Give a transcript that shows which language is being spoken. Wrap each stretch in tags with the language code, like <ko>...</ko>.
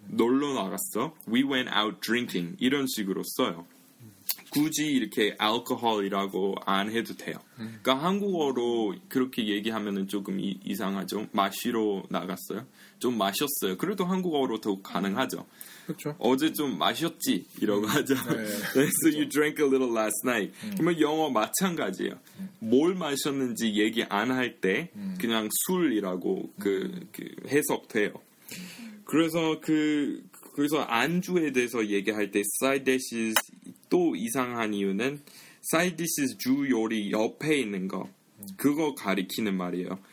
<ko>놀러 나갔어.</ko> <en>we went out drinking</en> <ko>이런 식으로 써요. 굳이 이렇게 alcohol이라고 안 해도 돼요. 그러니까 한국어로 그렇게 얘기하면 조금 이상하죠. 마시러 나갔어요. 좀 마셨어요. 그래도 한국어로도 가능하죠. 그쵸. 어제 좀 마셨지? 이러고 하죠. 네, 네.</ko> <en>So you drank a little last night.</en> <ko>그러면 영어 마찬가지예요. 뭘 마셨는지 얘기 안 할 때 그냥 술이라고 그 해석돼요. 그래서 그래서 안주에 대해서 얘기할 때 side dishes 또 이상한 이유는 side dishes 주 요리 옆에 있는 거 그거 가리키는 말이에요.</ko>